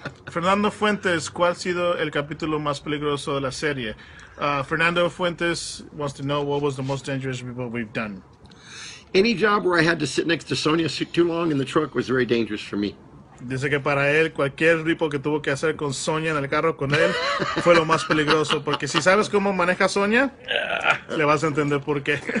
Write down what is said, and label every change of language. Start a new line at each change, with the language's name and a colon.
Spanish: Fernando Fuentes, ¿cuál ha sido el capítulo más peligroso de la serie?
English: Fernando Fuentes wants to know what was the most dangerous we've done. Any job where I had to sit next to Sonia too long in the truck was very dangerous for me.
Spanish: Dice que para él cualquier ripo que tuvo que hacer con Sonia en el carro con él fue lo más peligroso. Porque si sabes cómo maneja Sonia, le vas a entender por qué.